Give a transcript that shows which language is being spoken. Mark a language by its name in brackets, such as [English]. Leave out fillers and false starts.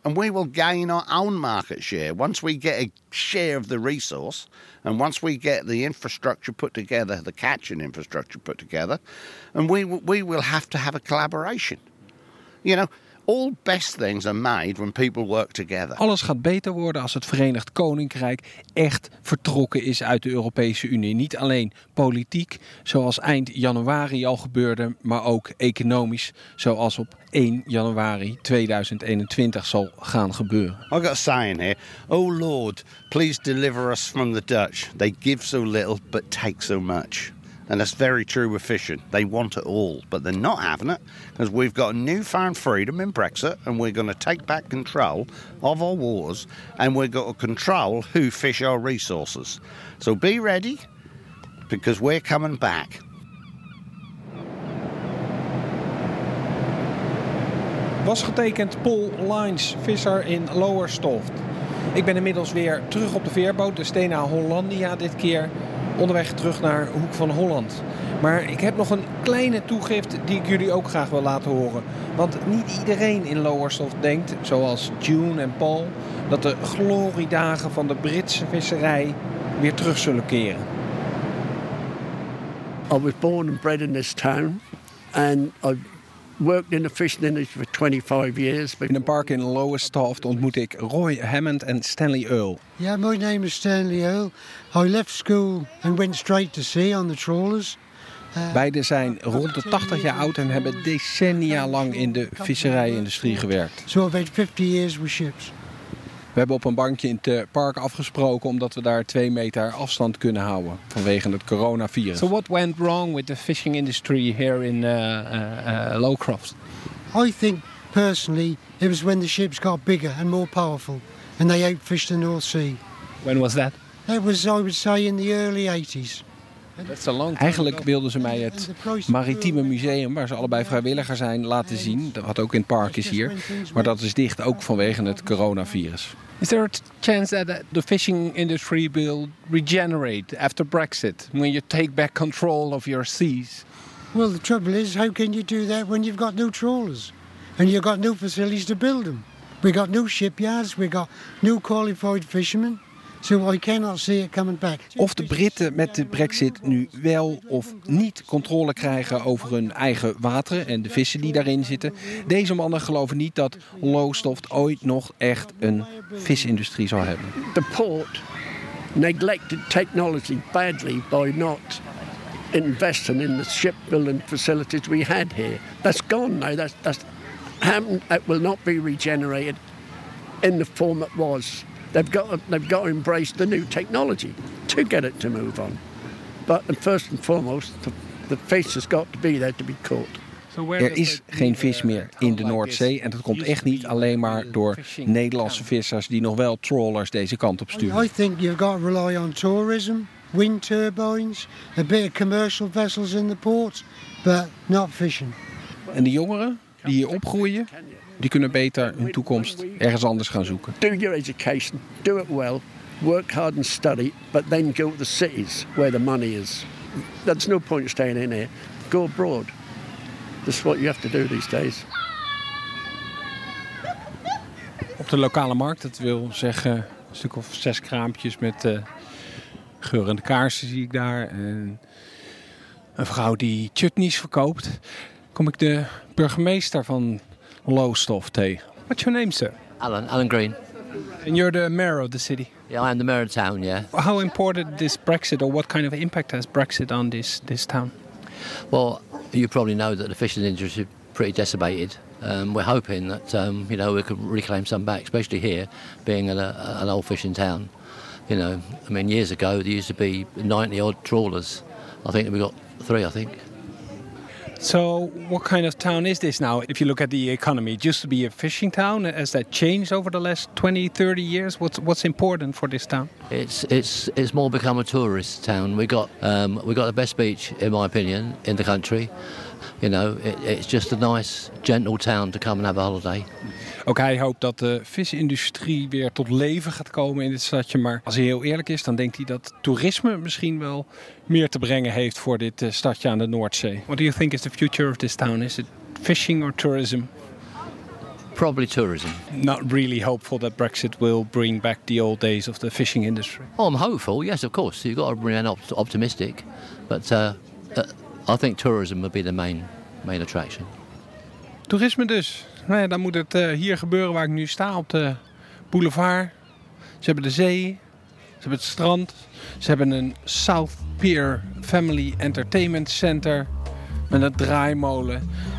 [English] And we will gain our own market share once we get a share of the resource. And once we get the infrastructure put together, the catching infrastructure put together. And we will have to have a collaboration. You know, all best things are made when people work together. [Dutch] Alles gaat beter worden als het Verenigd Koninkrijk echt vertrokken is uit de Europese Unie. Niet alleen politiek, zoals eind januari al gebeurde, maar ook economisch, zoals op 1 januari 2021 zal gaan gebeuren. [English] I got a saying here. Oh Lord, please deliver us from the Dutch. They give so little, but take so much. And that's very true with fishing. They want it all, but they're not having it because we've got newfound freedom in Brexit and we're going to take back control of our waters and we've got to control who fish our resources. So be ready because we're coming back. [Dutch] Was getekend Paul Lines, visser in Lowestoft. Ik ben inmiddels weer terug op de veerboot, de Stena Hollandia dit keer. Onderweg terug naar Hoek van Holland. Maar ik heb nog een kleine toegift die ik jullie ook graag wil laten horen. Want niet iedereen in Lowestoft denkt, zoals June en Paul, dat de gloriedagen van de Britse visserij weer terug zullen keren. [English] I was born and bred in this town. And I worked in the fishing industry for 25 years. [Dutch] In een park in Lowestoft ontmoet ik Roy Hammond en Stanley Earl. [English] Ja, yeah, my name is Stanley Earl. I left school and went straight to sea on the trawlers. [Dutch] Beide zijn rond de 80 jaar oud en hebben decennia lang in de visserijindustrie gewerkt. [English] So I've had 50 years with ships. [Dutch] We hebben op een bankje in het park afgesproken omdat we daar 2 meter afstand kunnen houden vanwege het coronavirus. [English] So what went wrong with the fishing industry here in Lowcroft? I think personally it was when the ships got bigger and more powerful and they outfished the North Sea. When was that? That was, I would say, in the early 80s. That's a long time. [Dutch] Eigenlijk wilden ze mij het maritieme museum, waar ze allebei vrijwilliger zijn, laten zien. Wat ook in het park is hier. Maar dat is dicht, ook vanwege het coronavirus. [English] Is there a chance that the fishing industry will regenerate after Brexit? When you take back control of your seas? Well, the trouble is, how can you do that when you've got new trawlers? And you've got new facilities to build them? We got new shipyards, we got new qualified fishermen. So I cannot see it coming back. [Dutch] Of de Britten met de Brexit nu wel of niet controle krijgen over hun eigen wateren en de vissen die daarin zitten. Deze mannen geloven niet dat Lowestoft ooit nog echt een visindustrie zal hebben. [English] The port neglected technology badly by not investing in the shipbuilding facilities we had here. That's gone now. That's happened. It will not be regenerated in the form it was. They've got to embrace the new technology to get it to move on. But first and foremost, the fish has got to be there to be caught. [Dutch] Er is geen vis meer in de Noordzee en dat komt echt niet alleen maar door Nederlandse vissers die nog wel trawlers deze kant op sturen. [English] I think you've got to rely on tourism, wind turbines, a bit of commercial vessels in the port, but not fishing. [Dutch] En de jongeren die hier opgroeien, die kunnen beter hun toekomst ergens anders gaan zoeken. [English] Do your education, do it well, work hard and study, but then go to the cities where the money is. There's no point staying in here. Go abroad. That's what you have to do these days. [Dutch] Op de lokale markt, dat wil zeggen een stuk of 6 kraampjes met geurende kaarsen zie ik daar. En een vrouw die chutneys verkoopt, kom ik de burgemeester van Lowestoft tegen. [English] What's your name, sir? Alan Green. And you're the mayor of the city? Yeah, I am the mayor of the town, yeah. How important is Brexit, or what kind of impact has Brexit on this town? Well, you probably know that the fishing industry is pretty decimated. We're hoping that you know, we could reclaim some back, especially here, being an old fishing town. You know, I mean, years ago there used to be 90 odd trawlers. I think we got three, I think. So what kind of town is this now, if you look at the economy? It used to be a fishing town. Has that changed over the last 20, 30 years? What's important for this town? It's more become a tourist town. We got the best beach, in my opinion, in the country. You know, it's just a nice, gentle town to come and have a holiday. [Dutch] Ook hij hoopt dat de visindustrie weer tot leven gaat komen in dit stadje. Maar als hij heel eerlijk is, dan denkt hij dat toerisme misschien wel meer te brengen heeft voor dit stadje aan de Noordzee. [English] What do you think is the future of this town? Is it fishing or tourism? Probably tourism. Not really hopeful that Brexit will bring back the old days of the fishing industry. Oh, I'm hopeful, yes, of course. You've got to remain optimistic. But I think tourism would be the main attraction. [Dutch] Toerisme dus. Nou ja, dan moet het hier gebeuren waar ik nu sta, op de boulevard. Ze hebben de zee, ze hebben het strand, ze hebben een South Pier Family Entertainment Center met een draaimolen.